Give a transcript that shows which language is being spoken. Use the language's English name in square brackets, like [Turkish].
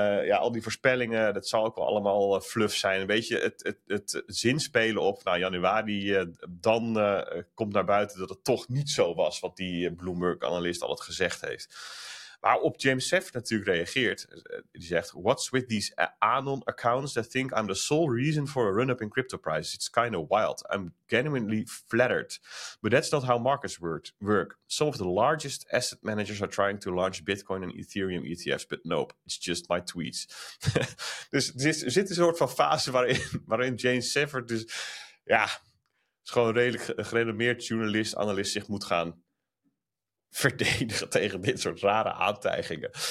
[Dutch] Al die voorspellingen, dat zal ook wel allemaal fluff zijn. Een beetje het zinspelen op, nou, januari, komt naar buiten dat het toch niet zo was wat die Bloomberg-analyst al het gezegd heeft. Waarop James Seff natuurlijk reageert. Die zegt, [English] what's with these Anon accounts that think I'm the sole reason for a run-up in crypto prices? It's kind of wild. I'm genuinely flattered. But that's not how markets work. Some of the largest asset managers are trying to launch Bitcoin and Ethereum ETFs, but nope, it's just my tweets. [Dutch] Dus er zit een soort van fase waarin James Seff dus, ja, is gewoon een redelijk gerenommeerd journalist, analist zich moet gaan verdedigen tegen dit soort rare aantijgingen.